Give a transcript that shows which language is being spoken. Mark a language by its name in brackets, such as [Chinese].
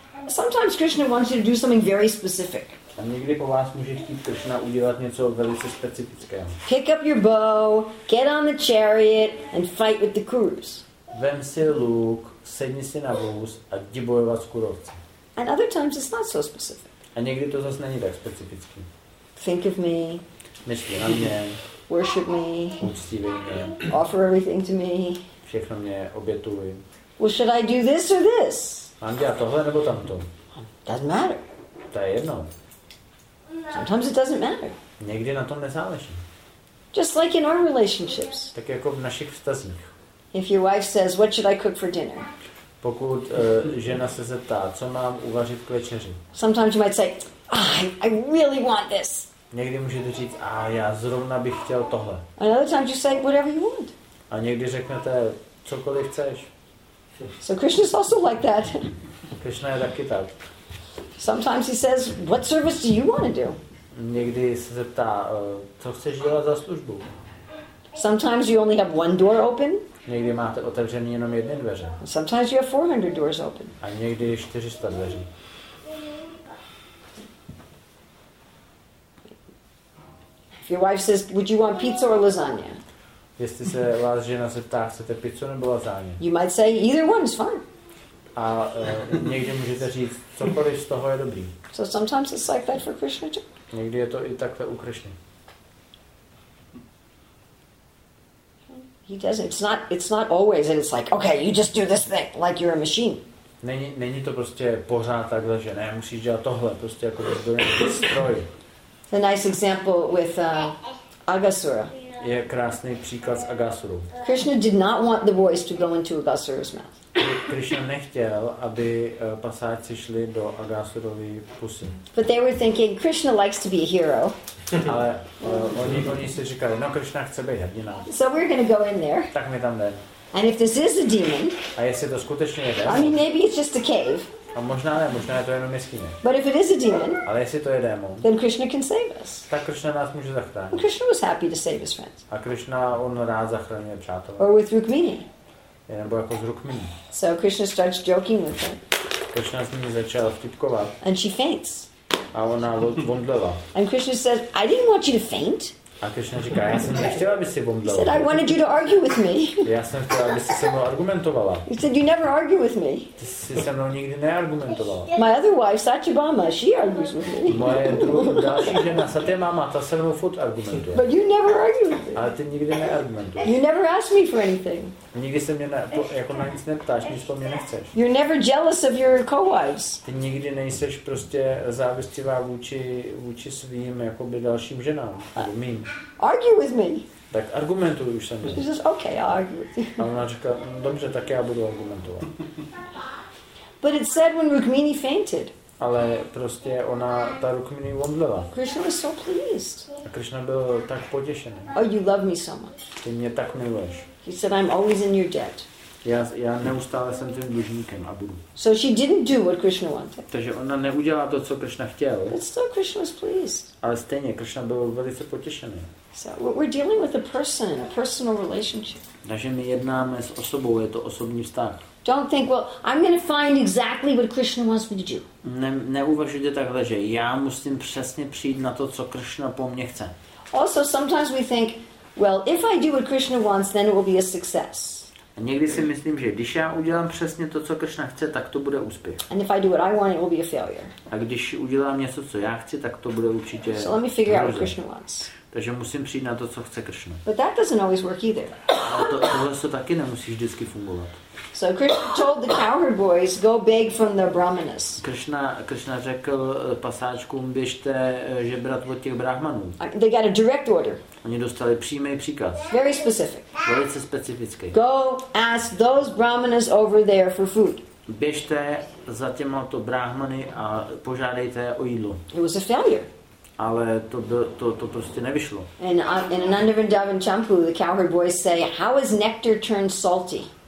[English] Sometimes Krishna wants you to do something very specific. [Czech] A někdy po vás může chtít Krishna udělat něco velice specifického. [English] Pick up your bow, get on the chariot and fight with the Kurus. [Czech] Vem si luk, sedni si na vůz a jdi bojovat s kurovci. [English] And other times it's not so specific. [Czech] A někdy to zase není tak specifický. [English] Think of me. [Czech] Myslí na mě. [English] Worship me. [Czech] Uctívej mě. [English] Offer everything to me. [Czech] Všechno mě obětuj. [English] Well, should I do this or this? [Czech] Mám dělat tohle nebo tamto? [English] Doesn't matter. [Czech] To je jedno. [English] Sometimes it doesn't matter. [Czech] Někdy na tom nezáleží. [English] Just like in our relationships. [Czech] Tak jako v našich vztazích. [English] If your wife says, "What should I cook for dinner?" [Czech] Pokud žena se zeptá, co mám uvařit k večeři. [English] Sometimes you might say, "I really want this." [Czech] Někdy můžete říct, já zrovna bych chtěl tohle. [English] Another time you say, "Whatever you want." [Czech] A někdy řeknete, cokoliv chceš. [English] So Krishna is also like that. [Czech] Krishna je taky tak. [English] Sometimes he says, "What service do you want to do?" [Czech] Někdy se zeptá, co chceš dělat za službu. [English] Sometimes you only have one door open. [Czech] Někdy máte otevřený jenom jedny dveře. [English] Sometimes you have 400 doors open. [Czech] A někdy 400 dveří. [English] If your wife says, "Would you want pizza or lasagna?" [Czech] Jestli se vás žena zeptá, chcete pizzu nebo lasagne? [English] You might say either one is fine. [Czech] A někdy můžete říct, cokoliv z toho je dobrý. [English] So sometimes it's like that for Krishna too. [Czech] Někdy je to i takhle u Krishny. [English] He does. It's not always, and it's like, okay, you just do this thing, like you're a machine. [Czech] Není to prostě pořád takhle, že ne, musíš dělat tohle, prostě jako to je stroj. [English] A nice example with Agasura. [Czech] Je krásný příklad s Agasurou. [English] Krishna did not want the voice to go into Agasura's mouth. [Czech] Krishna nechtěl, aby pasáci šli do Agasurovy pusy. [English] But they were thinking Krishna likes to be a hero. [Czech] Ale oni si říkali, no Krishna chce být hrdina. [English] So we're going to go in there. [Czech] Tak my tam jdeme. [English] And if this is a demon. [Czech] A jestli to skutečně je démon. [English] I mean, maybe it's just a cave. [Czech] A možná ne, možná je to jenom jeskyně. [English] But if it is a demon. [Czech] Ale jestli to je démon. [English] Then Krishna can save us. [Czech] Tak Krishna nás může zachránit. [English] And Krishna was happy to save his friends. [Czech] A Krishna on rád zachránil přátelé. [English] Or with Rukmini. [Czech] Nebo jako s Rukmini. [English] So Krishna starts joking with her. [Czech] Krishna s ní začal vtipkovat. [English] And she faints. [Czech] A ona vomdlela. [English] And Krishna says, "I didn't want you to faint." [Czech] A Krishna říká, já jsem nechtěl, aby si vomdlela. [English] He said, "I wanted you to argue with me." [Czech] Já jsem chtěl, aby si se mnou argumentovala. [English] He said, "You never argue with me." [Czech] Ty jsi se mnou nikdy neargumentovala. [English] My other wife, Satyabhama, she argues with me. [Czech] Moje další žena, Satyabhama, ta se mnou furt argumentuje. [English] But you never argue with me. [Czech] Ale ty nikdy neargumentuješ. [English] You never ask me for anything. [Czech] Nikdy se mě jako na nic neptáš, nic po mě nechceš. [English] You're never jealous of your co-wives. [Czech] Ty nikdy nejseš prostě závistivá vůči svým jakoby dalším ženám. Mým. [English] Argue with me. [Czech] Tak argumentuj už se mě. [English] She says, "Okay, I'll argue with you." [Czech] A ona říká, dobře, tak já budu argumentovat. [English] But it said when Rukmini fainted. [Czech] Ale prostě ona, ta Rukmini vomdlela. [English] Krishna was so pleased. [Czech] A Krishna byl tak potěšený. [English] Oh, you love me so much. [Czech] Ty mě tak miluješ. [English] He said, "I'm always in your debt." [Czech] Já neustále jsem tím dlužníkem a budu. [English] So she didn't do what Krishna wanted. [Czech] Takže ona neudělala to, co Krishna chtěl. [English] But still Krishna was pleased. [Czech] Ale stejně Krishna byl velice potěšený. [English] So we're dealing with a person, a personal relationship. [Czech] Takže my jednáme s osobou, je to osobní vztah. [English] Don't think, "Well, I'm going to find exactly what Krishna wants me to do." [Czech] Neuvažujte takhle, že já musím přesně přijít na to, co Krishna po mně chce. [English] Also sometimes we think, "Well, if I do what Krishna wants, then it will be a success." [Czech] A někdy si myslím, že když já udělám přesně to, co Krishna chce, tak to bude úspěch. [English] And if I do what I want, it will be a failure. [Czech] A když udělám něco, co já chci, tak to bude určitě. [English] So let me figure out what Krishna wants. [Czech] Takže musím přijít na to, co chce Krishna. [English] But that doesn't always work either. [Czech] Tohle se taky nemusí vždycky fungovat. [English] So Krishna told the cowherd boys, "Go beg from the brahmanas." [Czech] Krishna řekl pasáčkům, běžte žebrat od těch brahmanů. [English] They got a direct order. [Czech] Oni dostali přímý příkaz. [English] Very specific. [Czech] Velice specifický. [English] Go ask those brahmanas over there for food. [Czech] Běžte za těma to brahmany a požádejte o jídlo. [English] It was a failure. [Czech] Ale to prostě nevyšlo. [English] In Ananda Vrindavan Champu, the cowherd boys say, "How is nectar turned salty?"